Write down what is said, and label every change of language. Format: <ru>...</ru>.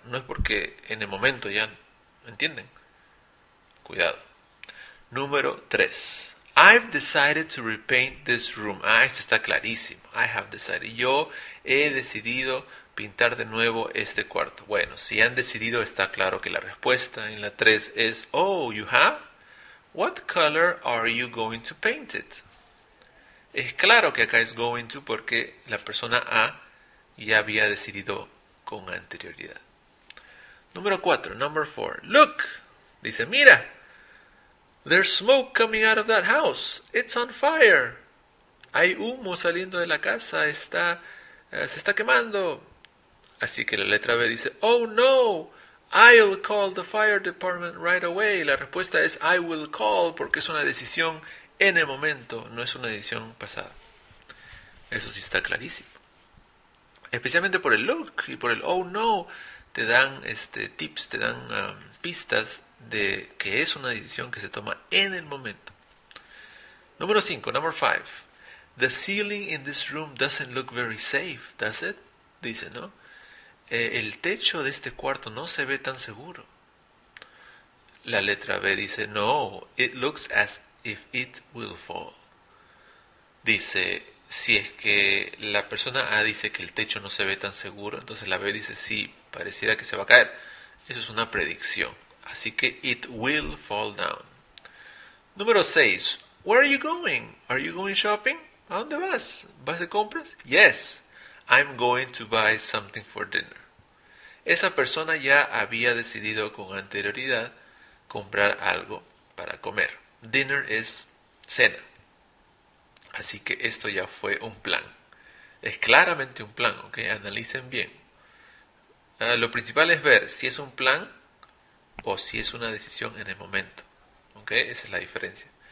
<es>No es porque en el momento ya, ¿entienden? Cuidado. Número 3.</es> <en>I've decided to repaint this room.</en> <es>Ah, esto está clarísimo.</es> <en>I have decided.</en> <es>Yo he decidido pintar de nuevo este cuarto. Bueno, si han decidido, está claro que la respuesta en la 3 es,</es> <en>oh, you have? What color are you going to paint it?</en> <es>Es claro que acá es going to porque la persona A ya había decidido con anterioridad. Número 4.</es> <en>Number 4. Look.</en> <es>Dice, mira.</es> <en>There's smoke coming out of that house. It's on fire.</en> <es>Hay humo saliendo de la casa. Se está quemando. Así que la letra B dice,</es> <en>Oh no, I'll call the fire department right away.</en> <es>La respuesta es</es> <en>I will call</en> <es>porque es una decisión en el momento, no es una decisión pasada. Eso sí está clarísimo. Especialmente por el look y por el Oh no, te dan tips, te dan pistas de que es una decisión que se toma en el momento. Número 5, number 5.</es> <en>The ceiling in this room doesn't look very safe, does it?</en> <es>Dice, ¿no? El techo de este cuarto no se ve tan seguro. La letra B dice,</es> <en>no, it looks as if it will fall.</en> <es>Dice, si es que la persona A dice que el techo no se ve tan seguro, entonces la B dice, sí, pareciera que se va a caer. Eso es una predicción. Así que</es> <en>it will fall down.</en> <es>Número 6.</es> <en>Where are you going? Are you going shopping?</en> <es>¿A dónde vas? ¿Vas de compras?</es> <en>Yes, I'm going to buy something for dinner.</en> <es>Esa persona ya había decidido con anterioridad comprar algo para comer. Dinner es cena. Así que esto ya fue un plan. Es claramente un plan, ¿ok? Analicen bien. Lo principal es ver si es un plan o si es una decisión en el momento. ¿Okay? Esa es la diferencia.</es>